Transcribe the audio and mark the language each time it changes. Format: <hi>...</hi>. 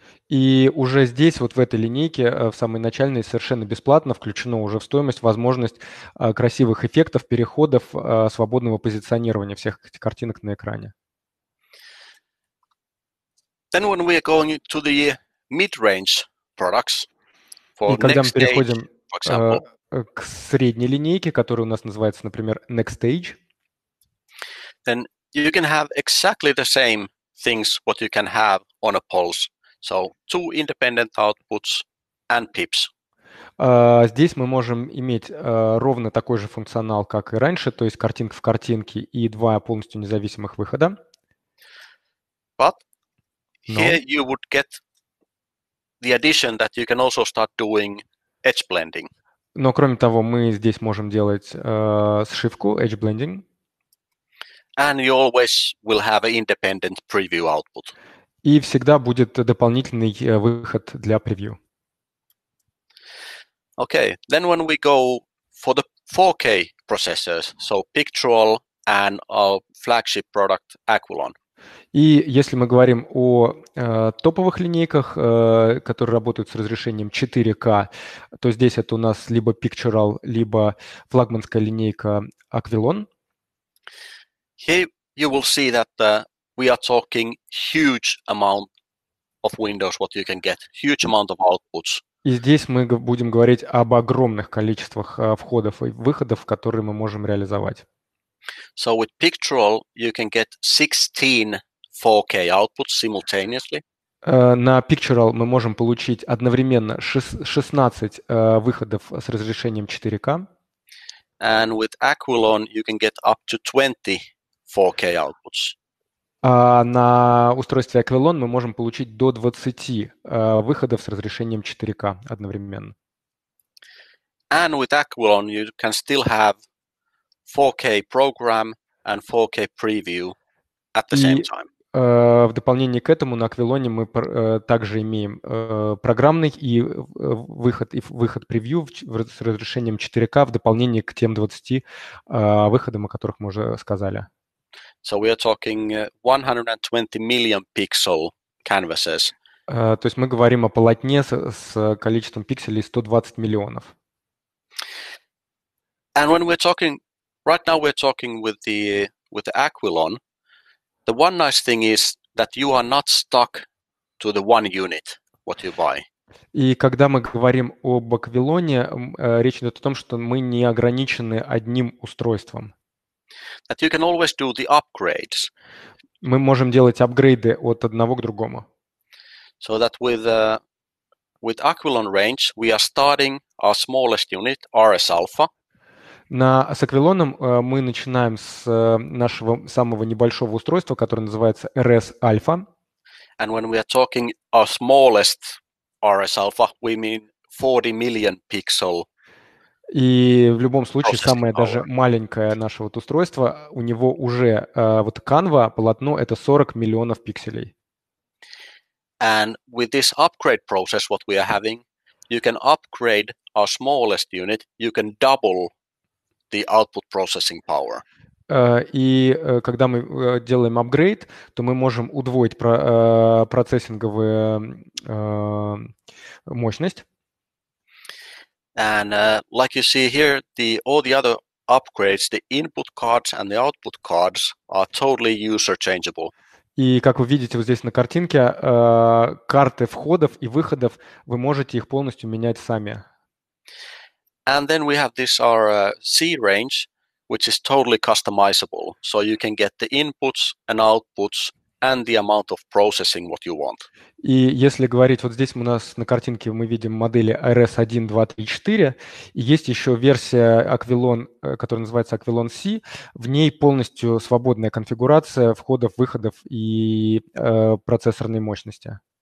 <ru>И уже здесь, вот в этой линейке, в самой начальной, совершенно бесплатно включено уже в стоимость возможность красивых эффектов, переходов, свободного позиционирования всех этих картинок на экране.</ru> <en>Then when we are going to the mid-range products, for</en> <ru>и когда</ru> <en>next</en> <ru>мы переходим</ru> <en>stage, for example,</en> <ru>к средней линейке, которая у нас называется, например, Next Stage,</ru> <en>then you can have exactly the same things what you can have on a pulse. So two independent outputs and pips.</en> <ru>Здесь мы можем иметь ровно такой же функционал, как и раньше, то есть картинка в картинке и два полностью независимых выхода.</ru> <en>But here you would get the addition that you can also start doing edge blending.</en> <ru>Но кроме того, мы здесь можем делать сшивку,</ru> <en>edge blending. And you always will have an independent preview output.</en> <ru>И всегда будет дополнительный выход для превью.</ru> <en>Okay, then when we go for the 4K processors, so Picturall and our flagship product Aquilon.</en> <ru>И если мы говорим о топовых линейках, которые работают с разрешением 4K, то здесь это у нас либо Picturall, либо флагманская линейка Aquilon.</ru> <en>Here you will see that we are talking huge amount of windows, what you can get, huge amount of outputs.</en> <ru>И здесь мы будем говорить об огромных количествах входов и выходов, которые мы можем реализовать.</ru> <en>So with Picturall you can get 16 4K outputs simultaneously.</en> <ru>На Picturall мы можем получить одновременно 16 выходов с разрешением 4K.</ru> <en>And with Aquilon you can get up to 20 4K outputs.</en> <ru>На устройстве Aquilon мы можем получить до 20 выходов с разрешением 4K одновременно.</ru> <en>And with Aquilon you can still have 4K program and 4K preview at the same time.</en> <ru>В дополнение к этому на Аквилоне мы также имеем программный и выход превью с разрешением 4К в дополнение к тем 20 выходам, о которых мы уже сказали.</ru> <en>So we are talking 120 million pixel canvases.</en> <ru>То есть мы говорим о полотне с количеством пикселей 120 миллионов.</ru> <en>And when we're talking, right now we're talking with the Aquilon. The one nice thing is that you are not stuck to the one unit what you buy.</en> <ru>И когда мы говорим об Аквилоне, речь идет о том, что мы не ограничены одним устройством.</ru> <en>That you can always do the upgrades.</en> <ru>Мы можем делать апгрейды от одного к другому.</ru> <en>So that with Aquilon range, we are starting our smallest unit, RS Alpha.</en> <ru>С Аквилоном мы начинаем с нашего самого небольшого устройства, которое называется RS Alpha.</ru> <en>And when we are talking our smallest RS Alpha, we mean 40 million pixel.</en> <ru>И в любом случае, самое даже маленькое наше вот устройство, у него уже вот канва, полотно, это 40 миллионов пикселей.</ru> <en>And with this upgrade process, what we are having, you can upgrade our smallest unit, you can double the output processing power.</en> <ru>И когда мы делаем апгрейд, то мы можем удвоить процессинговую мощность.</ru> <en>And like you see here, all the other upgrades, the input cards and the output cards are totally user changeable.</en> <ru>И как вы видите вот здесь на картинке, карты входов и выходов, вы можете их полностью менять сами.</ru> <en>And then we have this our C range, which is totally customizable. So you can get the inputs and outputs and the amount of processing what you want.</en> <ru>И если говорить, вот здесь у нас на картинке мы видим модели RS 1, 2, 3, 4. И есть еще версия Aquilon, которая называется Aquilon C. В ней полностью свободная конфигурация входов, выходов и процессорной мощности.</ru>